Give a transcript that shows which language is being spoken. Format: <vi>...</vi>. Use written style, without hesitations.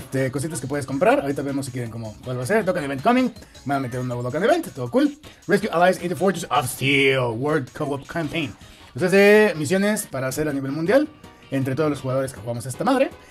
<es>Cositas que puedes comprar. Ahorita vemos si quieren cómo vuelve a ser.</es> <en>Token Event Coming.</en> <es>Van a meter un nuevo Token Event. Todo cool.</es> <en>Rescue Allies in the Fortress of Steel. World Co-op Campaign.</en> <es>O sea, sí, misiones para hacer a nivel mundial. Entre todos los jugadores que jugamos a esta madre.</es>